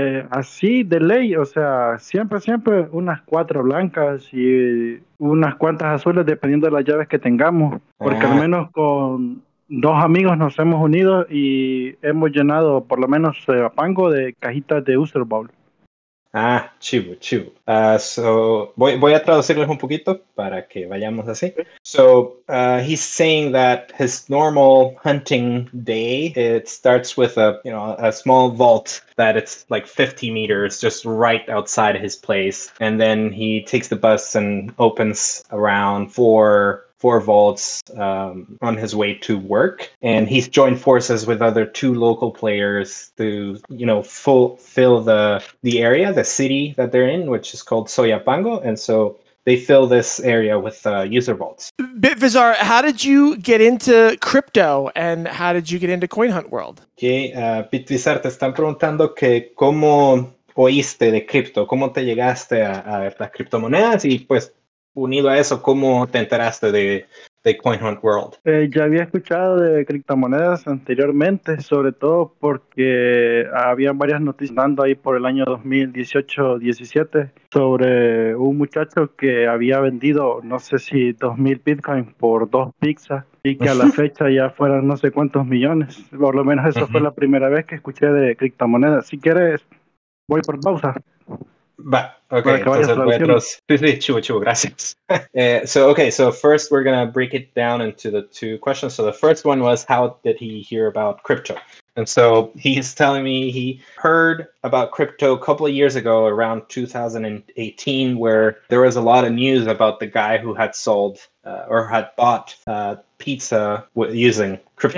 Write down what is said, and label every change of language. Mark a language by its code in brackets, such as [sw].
[es] Así de ley, o sea, siempre unas 4 blancas y unas cuantas azules, dependiendo de las llaves que tengamos, porque al menos con 2 amigos nos hemos unido y hemos llenado por lo menos a pango de cajitas de Usher Bowl. Ah, chivo, chivo. So voy a traducirles un poquito para que vayamos así. [en] So he's saying that his normal hunting day, it starts with a small vault that it's like 50 meters just right outside of his place. And then he takes the bus and opens around four vaults on his way to work. And he's joined forces with other two local players to, you know, fill the area, the city that they're in, which is called Soyapango. And so they fill this area with user vaults. Bitvizar, how did you get into crypto and how did you get into Coin Hunt World? [es] Okay, Bitvizar, te están preguntando que cómo oíste de cripto, cómo te llegaste a las criptomonedas y pues, unido a eso, ¿cómo te enteraste de Coin Hunt World? Ya había escuchado de criptomonedas anteriormente, sobre todo porque había varias noticias dando ahí por el año 2018-17 sobre un muchacho que había vendido, no sé si 2,000 bitcoins por dos pizzas y que a la fecha ya fueran no sé cuántos millones. Por lo menos eso fue la primera vez que escuché de criptomonedas. Si quieres, voy por pausa. [en] But okay, gracias. So first we're gonna break it down into the two questions. So the first one was, how did he hear about crypto? And so he's telling me he heard about crypto a couple of years ago, around 2018, where there was a lot of news about the guy who had sold or had bought pizza using crypto,